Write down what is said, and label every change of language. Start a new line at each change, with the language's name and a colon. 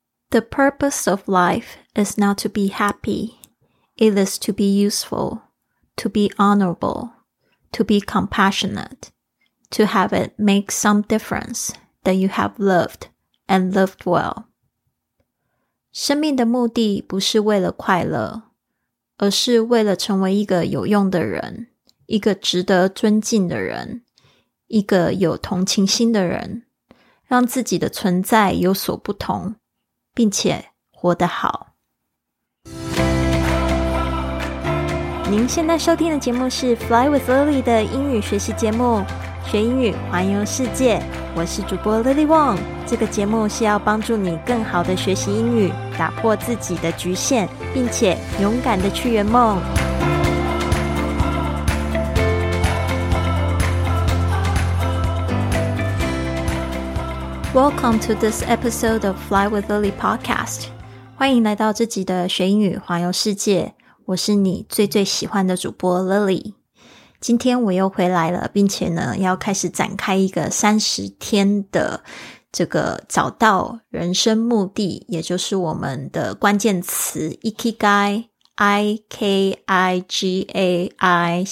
English: The purpose of life is not to be happy. It is to be useful, to be honorable, to be compassionate, to have it make some difference that you have loved and loved well.
Chinese: 生命的目的不是为了快乐，而是为了成为一个有用的人，一个值得尊敬的人，一个有同情心的人，让自己的存在有所不同，并且活得好。您现在收听的节目是 Fly with Lily 的英语学习节目，学英语环游世界。我是主播 Lily Wong。这个节目是要帮助你更好的学习英语，打破自己的局限，并且勇敢的去圆梦。
English: Welcome to this episode of Fly with Lily podcast.
Chinese: 欢迎来到这集的学英语环游世界。我是你最最喜欢的主播 Lily。今天我又回来了，并且呢要开始展开一个30天的这个找到人生目的，也就是我们的关键词 Ikigai IKIGAI。